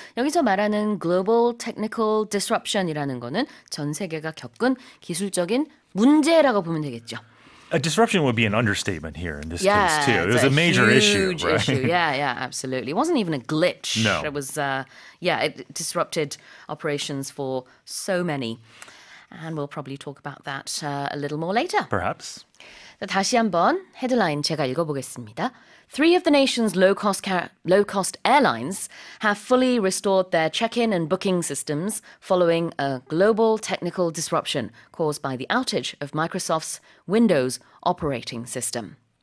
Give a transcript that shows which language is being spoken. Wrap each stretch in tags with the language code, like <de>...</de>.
<ko>여기서 말하는</ko> <en>global technical disruption</en> <ko>이라는 거는 전 세계가 겪은 기술적인 문제라고 보면 되겠죠.</ko> <en>A disruption would be an understatement here in this case too. It was a major issue, right? Issue. Yeah, yeah, absolutely. It wasn't even a glitch. No. It was it disrupted operations for so many. And we'll probably talk about that a little more later. Perhaps.</en> <ko>다시 한번 헤드라인 제가 읽어보겠습니다.</ko> <en>Three of the nation's low-cost airlines have fully restored their check-in and booking systems following a global technical disruption caused by the outage of Microsoft's Windows operating system.</en>